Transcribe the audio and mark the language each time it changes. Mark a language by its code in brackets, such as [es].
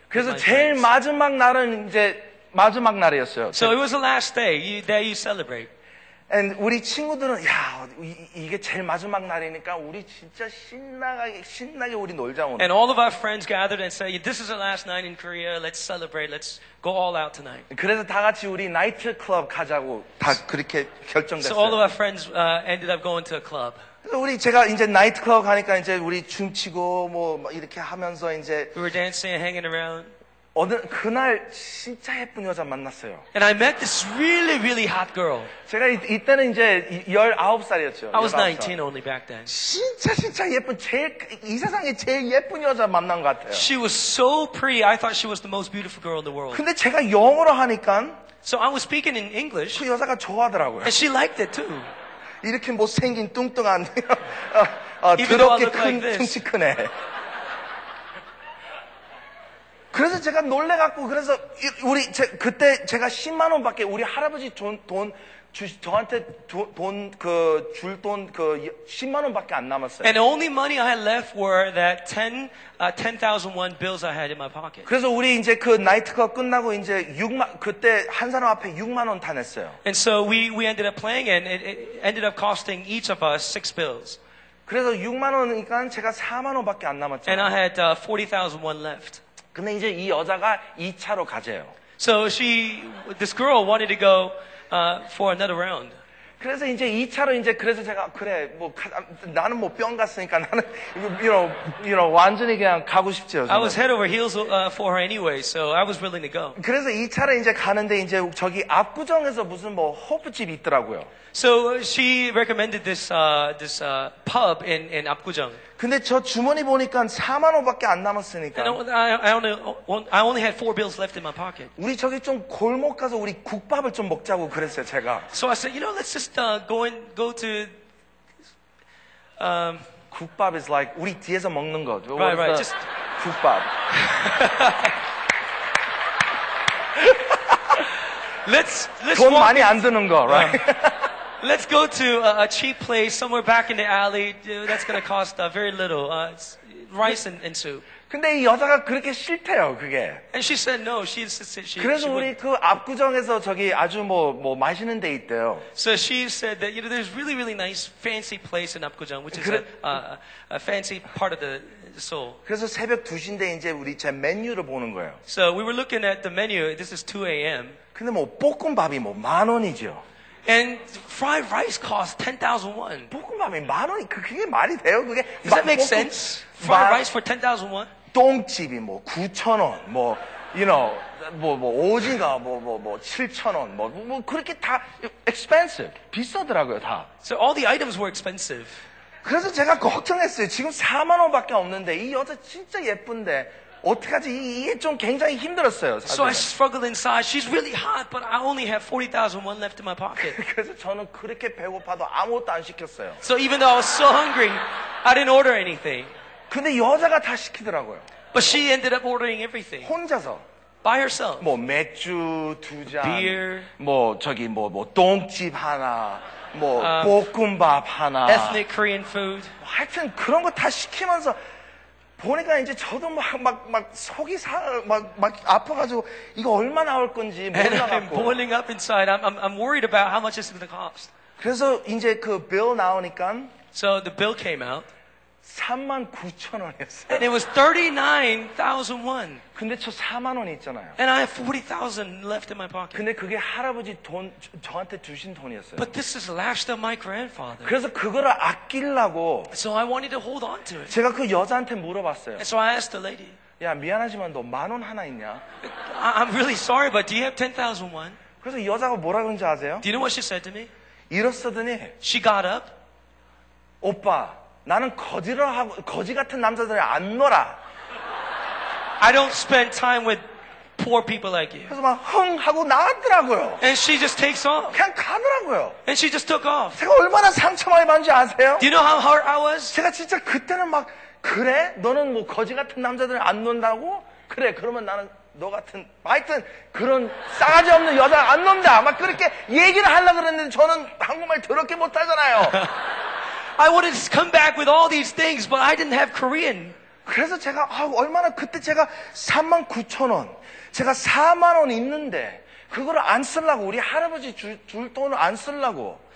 [ko] 그래서 제일 [en] friends. [ko] 마지막 날은 이제 마지막 날이었어요. [en] So it was the last day that you celebrate. And [ko] 우리 친구들은 야 이게 제일 마지막 날이니까 우리 진짜 신나게 우리 놀자 오늘. [en] And all of our friends gathered and said, "This is the last night in Korea. Let's celebrate. Let's go all out tonight." [ko] 그래서 다 같이 우리 나이트 클럽 가자고 다 그렇게 결정됐어요. [en] So all of our friends ended up going to a club. [ko] 우리 제가 이제 나이트 클럽 가니까 이제 우리 춤추고 뭐 이렇게 하면서 이제. [en] We were dancing, hanging around. [ko] 그날 진짜 예쁜 여자 만났어요. [en] And I met this really, really hot girl. [ko] 제가 이때는 이제 19살이었죠. [en] I was 19 only back then. [ko] 진짜 예쁜, 이 세상에 제일 예쁜 여자 만난 것 같아요. [en] She was so pretty. I thought she was the most beautiful girl in the world. [ko] 근데 제가 영어로 하니까. [en] So I was speaking in English. [ko] 그 여자가 좋아하더라고요. [en] And she liked it too. [ko] 이렇게 못생긴 뚱뚱한, 더럽게 큰, 충치 크네. 그래서 제가 놀래갖고 그래서 우리 그때 제가 10만 원밖에 우리 할아버지 돈 저한테 돈 그 줄 돈 그 10만 원밖에 안 남았어요. [en] And only money I had left were that 10,000 won bills I had in my pocket. [ko] 그래서 우리 이제 그 나이트가 끝나고 이제 6만 그때 한 사람 앞에 6만 원 다 냈어요. [en] And so we ended up playing and it ended up costing each of us 6 bills. [ko] 그래서 6만 원이니까 제가 4만 원밖에 안 남았죠. [en] And I had 40,000 won left. [ko] 근데 이제 이 여자가 2차로 가재요. [en] So this girl wanted to go for another round. [ko] 그래서 이제 2차로 이제 그래서 제가 그래 뭐 나는 뭐 뿅 갔으니까 나는 [en] you know [ko] 완전히 그냥 가고 싶지요. 정말. [en] I was head over heels for her anyway, so I was willing to go. [ko] 그래서 2차로 이제 가는데 이제 저기 압구정에서 무슨 뭐 호프집 있더라고요. [en] So she recommended this pub in 압구정. [ko] 근데 저 주머니 보니까 4만 원밖에 안 남았으니까. [en] I only had 4 bills left in my pocket. [ko] 우리 저기 좀 골목 가서 우리 국밥을 좀 먹자고 그랬어요, 제가. [en] So I said, you know, let's just go to [ko] 국밥 [en] is like [ko] 우리 뒤에서 먹는 거. [en] Right, just [ko] 국밥. [en] let's [ko] 돈 많이 안 드는 거, [en] right? Let's go to a cheap place somewhere back in the alley. That's going to cost very little. Rice and soup. [ko] 근데 이 여자가 그렇게 싫대요, 그게. [en] And she said no. She insisted she. [ko] 그래서 [en] she [ko] 우리 [en] went. [ko] 그 압구정에서 저기 아주 뭐 맛있는 데 있대요. [en] So she said that you know there's really really nice fancy place in 압구정, which is [ko] 그래, [en] a fancy part of the Seoul. [ko] 그래서 새벽 2시인데 이제 우리 제 메뉴를 보는 거예요. [en] So we were looking at the menu. This is 2 a.m. [ko] 근데 뭐 볶음밥이 뭐 만 원이죠. [en] And fried rice costs 10,000 won. [ko] 볶음밥이 만 원이 그게 말이 돼요? 그게 [en] Does that make sense? Fried rice for 10,000 won? [ko] 똥집이 뭐 9,000 원, 뭐 [en] you know, [ko] 뭐 오징어 뭐 7,000 원, 뭐 그렇게 다 expensive. 비싸더라고요, 다. [en] So all the items were expensive. [ko] 그래서 제가 걱정했어요. 지금 4만 원밖에 없는데 이 여자 진짜 예쁜데 어떡하지? 이게 좀 굉장히 힘들었어요. 사실. [en] So I struggled inside. She's really hot, but I only have 40,000 won left in my pocket. [ko] 그래서 저는 그렇게 배고파도 아무것도 안 시켰어요. [en] So even though I was so hungry, I didn't order anything. [ko] 근데 여자가 다 시키더라고요. [en] But she ended up ordering everything. [ko] 혼자서. [en] By herself. [ko] 뭐 맥주 두 잔. [en] Beer. [ko] 뭐 저기 뭐 똥집 하나. 뭐 볶음밥 하나. [en] Ethnic Korean food. [ko] 하여튼 그런 거 다 시키면서. 보니까 이제 저도 막 속이 막 아파가지고 이거 얼마 나올 건지 몰라가지고. [en] I'm boiling up inside. I'm worried about how much this is going to cost. [ko] 그래서 이제 그 bill 나오니까. [en] So the bill came out. [ko] 3만 9천 원이었어요. [en] And it was 39,000 won. [ko] 근데 저 4만 원이 있잖아요. [en] And I have 40,000 left in my pocket. [ko] 근데 그게 할아버지 돈 저한테 주신 돈이었어요. [en] But this is last of my grandfather. [ko] 그래서 그거를 아끼려고. [en] So I wanted to hold on to it. [ko] 제가 그 여자한테 물어봤어요. [en] And so I asked the lady. [ko] 야 미안하지만 너 만 원 하나 있냐? [en] I'm really sorry, but do you have 10,000 won? [ko] 그래서 여자가 뭐라 그런지 아세요? [en] Do you know what she said to me? [ko] 일어서더니. [en] She got up. [ko] 오빠. 나는 거지라고 거지 같은 남자들이 안 놀아. [en] I don't spend time with poor people like you. [ko] 그래서 막 흥 하고 나왔더라고요. [en] And she just takes off. [ko] 그냥 가더라고요. [en] And she just took off. [ko] 제가 얼마나 상처 많이 받은지 아세요? [en] Do you know how hurt I was? [ko] 제가 진짜 그때는 막 그래? 너는 뭐 거지 같은 남자들 안 논다고? 그래. 그러면 나는 너 같은 하여튼 그런 싸가지 없는 여자 안 논다. 막 그렇게 얘기를 하려고 그랬는데 저는 한국말 더럽게 못 하잖아요. [en] I wanted to come back with all these things, but I didn't have Korean. [ko] 그래서 제가 얼마나 그때 제가 3만 9천 원, 제가 4만 원 있는데 그거를 안 쓰려고 우리 할아버지 줄 돈을 안 쓰려고.